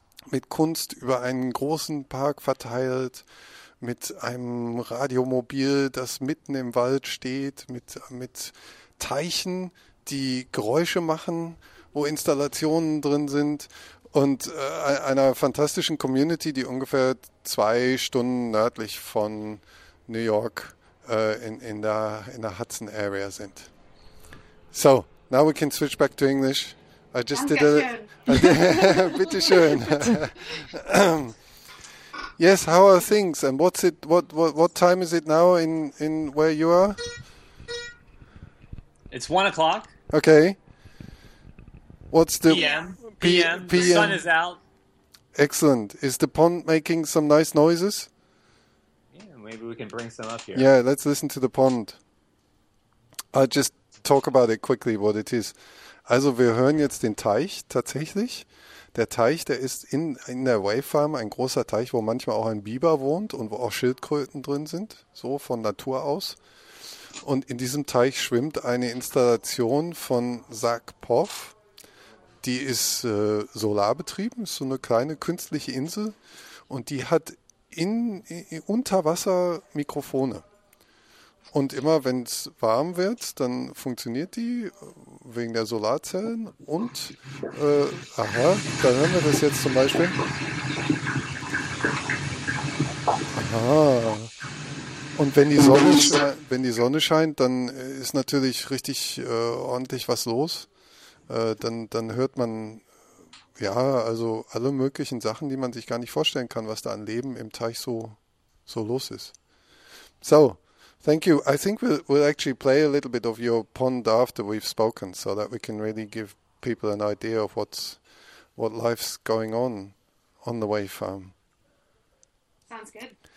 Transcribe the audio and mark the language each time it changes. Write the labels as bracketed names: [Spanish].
[German] mit Kunst über einen großen Park verteilt, mit einem Radiomobil, das mitten im Wald steht, mit Teichen, die Geräusche machen, wo Installationen drin sind und einer fantastischen Community, die ungefähr 2 Stunden nördlich von New York in der Hudson Area sind. [English] So, now we can switch back to English. I just did a [German] Dankeschön. Bitte. bitteschön. [English] Yes, how are things and what time is it now in where you are? It's 1 o'clock Okay. What's the p.m. p.m. The sun p.m. is out. Excellent. Is the pond making some nice noises? Yeah, maybe we can bring some up here. Yeah, let's listen to the pond. I'll just talk about it quickly, what it is. [German] Also, wir hören jetzt den Teich tatsächlich. Der Teich, der ist in der Wave Farm ein großer Teich, wo manchmal auch ein Biber wohnt und wo auch Schildkröten drin sind, so von Natur aus. Und in diesem Teich schwimmt eine Installation von Zac Poff. Die ist solarbetrieben, ist so eine kleine künstliche Insel. Und die hat unter Wasser Mikrofone. Und immer wenn es warm wird, dann funktioniert die wegen der Solarzellen. Und, aha, da hören wir das jetzt zum Beispiel. Aha. Und wenn die Sonne scheint, dann ist natürlich richtig ordentlich was los. Dann hört man ja also alle möglichen Sachen, die man sich gar nicht vorstellen kann, was da an Leben im Teich so los ist. [English] So, thank you. I think we'll actually play a little bit of your pond after we've spoken, so that we can really give people an idea of what life's going on the wave farm. Sounds good.